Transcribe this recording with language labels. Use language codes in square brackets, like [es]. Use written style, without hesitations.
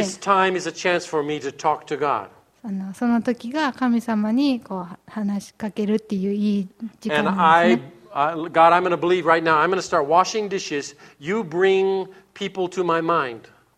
[en] This time is a chance for me to talk to God. [ja] その時が神様にこう話しかけるっていういい時間ですね。 [en] And God, I'm going to believe right now. I'm going to start washing dishes. You bring people to my mind.